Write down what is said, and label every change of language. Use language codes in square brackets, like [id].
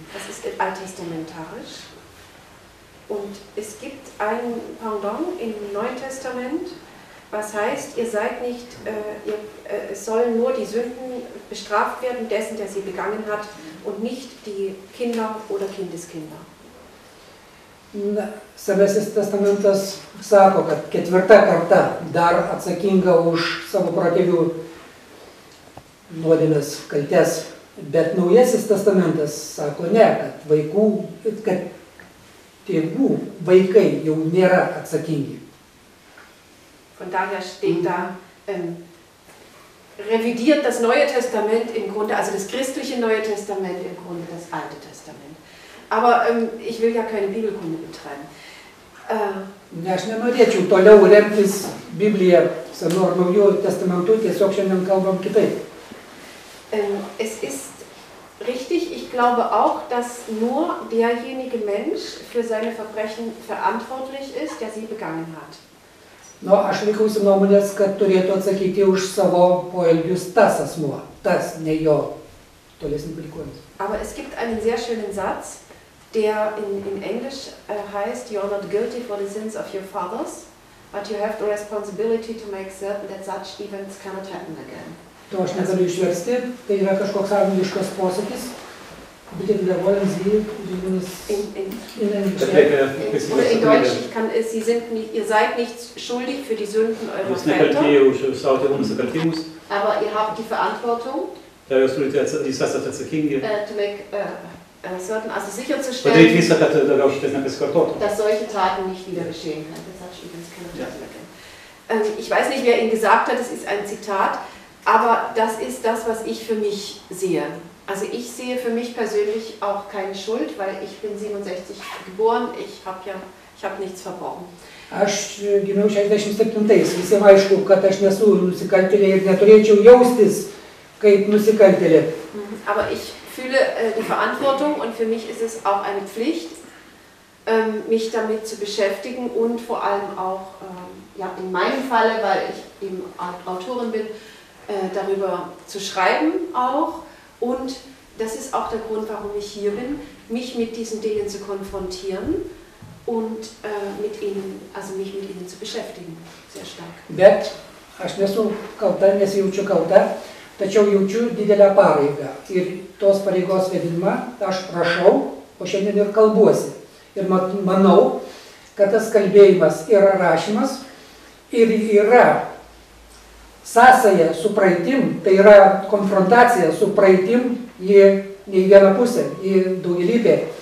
[de] Das ist alttestamentarisch. Und es gibt ein Pendant im Neuen Testament, was heißt, ihr seid nicht, es sollen nur die Sünden bestraft werden, dessen, der sie begangen hat, und nicht die Kinder oder Kindeskinder. [lt] Na, Senasis testamentas sako, kad ketvirta karta dar atsakinga už savo protėvių nuodėmes kaltes, bet Naujasis testamentas sako ne, kad vaikų, kad tėvų vaikai jau nėra atsakingi. [de] Von daher steht da revidiert das Neue Testament im Grunde, also das christliche Neue Testament im Grunde das Alte Testament. Aber ich will ja keine Bibelkunde betreiben. [lt] Ne, aš nenorėčiau toliau remtis Biblija, Senu ar Naujų Testamentu, tiesiog šiandien kalbam kitaip. [de] Es ist richtig, ich glaube auch, dass nur derjenige Mensch für seine Verbrechen verantwortlich ist, der sie begangen hat. [lt] Nu, aš laikausi nuomonės, kad turėtų atsakyti už savo poelgius tas asmuo, tas, ne jo tolesnį palikonis. [de] Aber es gibt einen sehr schönen Satz, der in Englisch heißt, [en] you are not guilty for the sins of your fathers, but you have the responsibility to make certain that such events cannot happen again. [lt] To aš negaliu išversti, tai yra kažkoks angliškas posakis, bet jeigu nevolim zvyrus [de] in Englisch. In Deutsch, ich kann es, sie sind nicht, ihr seid nicht schuldig für die Sünden eurer Väter, aber ihr habt die Verantwortung, [en] to make [de] also sicherzustellen, dass solche Taten nicht wieder geschehen können. Das hat ich übrigens keine ich weiß nicht, wer ihn gesagt hat, es ist ein Zitat, aber das ist das, was ich für mich sehe. Also ich sehe für mich persönlich auch keine Schuld, weil ich bin 67 geboren, ich hab nichts verborgen. [lt] Aš gimiau 67-ais, visiems aišku, kad aš nesu nusikaltėlė ir neturėčiau jaustis kaip nusikaltėlė. [de] Aber ich fühle die Verantwortung und für mich ist es auch eine Pflicht, mich damit zu beschäftigen und vor allem auch ja, in meinem Falle, weil ich eben Autorin bin, darüber zu schreiben auch. Und das ist auch der Grund, warum ich hier bin, mich mit diesen Dingen zu konfrontieren und mit ihnen, also mich mit ihnen zu beschäftigen, sehr stark. [lt] Bet, aš nesu kalta, nesijaučiu kalta. Tačiau jaučiu didelę pareigą ir tos pareigos vedimą aš prašau, o šiandien ir kalbuosi. Ir manau, kad tas kalbėjimas yra rašymas ir yra sąsaja su praeitim, tai yra konfrontacija su praeitim į ne vieną pusę, į daugelybę.